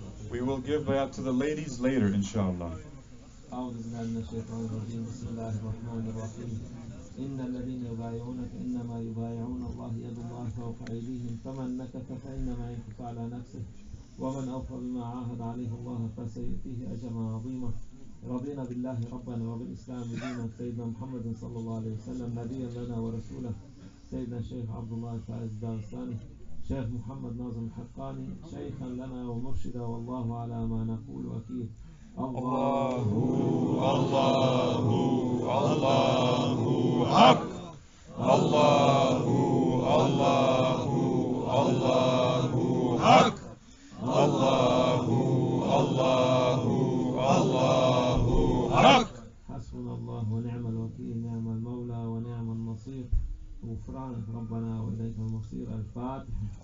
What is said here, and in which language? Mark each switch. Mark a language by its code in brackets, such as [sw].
[en] We will give bayat to the ladies later, inshallah. [ar] أعوذ بالله من الشيطان الرجيم بسم الله الرحمن الرحيم إن الذين يبايعونك إنما يبايعون الله يد الله فوق أيديهم فمن نكث فإنما ينكث على نفسه ومن أوفى بما عاهد عليه الله فسيؤتيه أجرا عظيما رضينا بالله ربا وبالإسلام دينا سيدنا محمد صلى الله عليه وسلم نبيا لنا ورسوله سيدنا الشيخ عبد الله فائز الدارستاني شيخ محمد ناظم الحقاني شيخا لنا ومرشدا والله على ما نقول وكيل الله الله الله حق الله الله الله حق الله الله الله حق حسبنا الله ونعم الوكيل نعم المولى ونعم النصير غفرانك ربنا وإليك المصير الفاتح